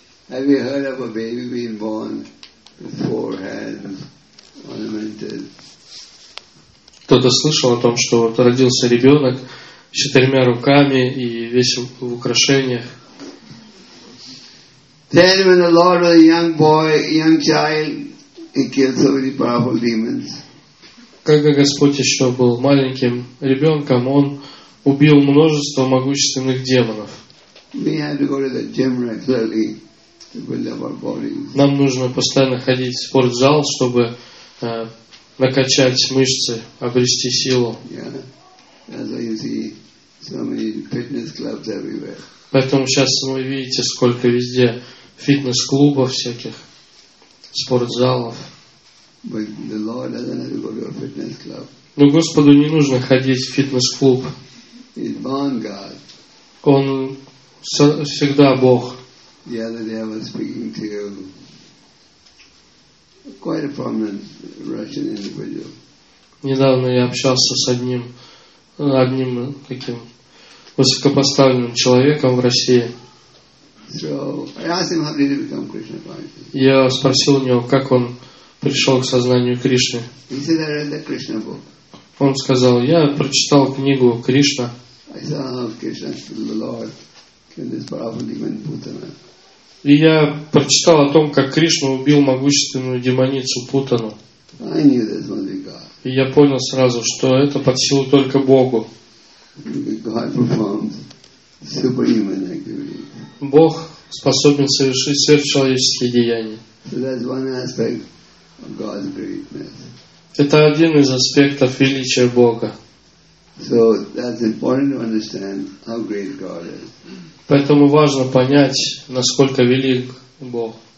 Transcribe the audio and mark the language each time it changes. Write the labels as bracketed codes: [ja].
[en] Have you heard of a baby being born with four hands ornamented? [ru] Кто-то слышал о том, что вот родился ребенок с четырьмя руками и весь в украшениях? [en] Then when the Lord was a young boy, young child, he killed so many powerful demons. [ru] Когда Господь еще был маленьким ребенком, он убил множество могущественных демонов. [en] We had to go to the gym regularly. To build up our bodies. [ru] Нам нужно постоянно ходить в спортзал, чтобы накачать мышцы, обрести силу. Поэтому сейчас вы видите, сколько везде фитнес-клубов всяких, спортзалов. [en] But the Lord doesn't have to go to a fitness club. [ru] Но Господу не нужно ходить в фитнес-клуб. [en] He's born God. [ru] Он всегда Бог. [en] The other day I was speaking to quite a prominent Russian individual. [ru] Недавно я общался с одним таким высокопоставленным человеком в России. [en] So I asked him how did he become Krishna conscious. [ru] Я спросил у него, как он пришел к сознанию Кришны. [en] He said I read the Krishna book. [ru] Он сказал: я прочитал книгу Кришна. [en] I saw how Krishna killed the Lord, killed this powerful demon Putana. [ru] И я прочитал о том, как Кришна убил могущественную демоницу Путану. [en] I knew that's only God. [ru] И я понял сразу, что это под силу только Богу. [en] God performs superhuman activities. [ru] Бог способен совершить сверхчеловеческие деяния. [en] So that's one aspect of God's greatness. [ru] Это один из аспектов величия Бога. [en] So that's important to understand how great God is. [ru] Поэтому важно понять, насколько велик Бог.